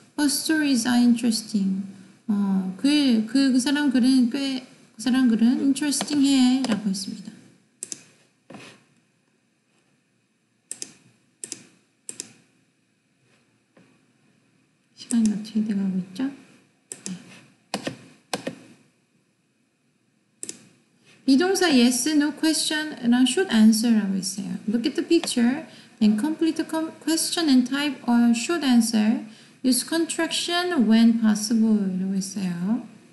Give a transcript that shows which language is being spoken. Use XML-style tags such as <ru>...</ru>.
<en>Her stories are interesting.</en> <ko>그 사람 글은 꽤 그 사람 글은 interesting해 라고 했습니다. 시간이 어떻게 돼가고 있죠? 비동사</ko> <en>yes, no question, and short answer</en> <ko>라고 했어요.</ko> <en>Look at the picture, then complete the question and type a short answer. Use contraction when possible</en> <ko>라고 했어요.</ko>